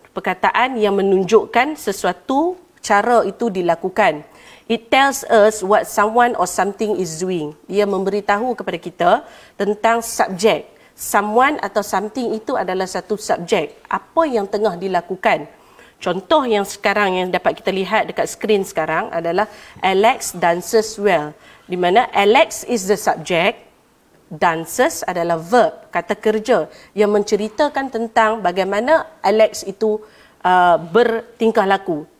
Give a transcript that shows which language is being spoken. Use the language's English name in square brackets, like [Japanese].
[Malay] Perkataan yang menunjukkan sesuatu cara itu dilakukan. [English] It tells us what someone or something is doing. [Malay] Ia memberitahu kepada kita tentang subjek. Someone atau something itu adalah satu subjek. Apa yang tengah dilakukan? Contoh yang sekarang yang dapat kita lihat dekat skrin sekarang adalah [English] Alex dances well. [Malay] Di mana [English] Alex is the subject. [Malay] Dances adalah verb, kata kerja yang menceritakan tentang bagaimana Alex itu bertingkah laku.